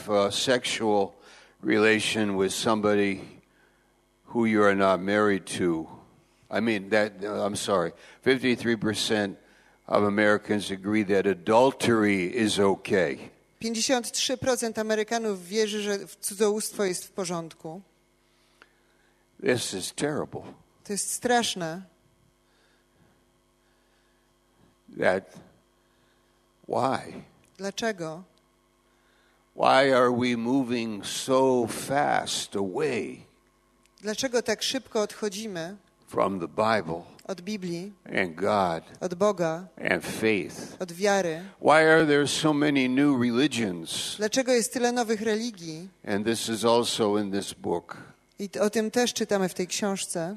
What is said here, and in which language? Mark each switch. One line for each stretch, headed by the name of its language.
English: Sexual relation with somebody who you are not married to. I mean, that, I'm sorry, 53% of Americans agree that adultery is okay.
Polish: 53% Amerykanów wierzy, że cudzołóstwo jest w porządku.
English: This is terrible.
Polish: To jest straszne.
English: That, why?
Polish: Dlaczego?
English: Why are we moving so fast away?
Polish: Dlaczego tak szybko odchodzimy?
English: From the Bible.
Polish: Od Biblii.
English: And God.
Polish: Od Boga.
English: And faith.
Polish: Od wiary.
English: Why are there so many new religions?
Polish: Dlaczego jest tyle nowych religii?
English: And this is also in this book.
Polish: I o tym też czytamy w tej książce.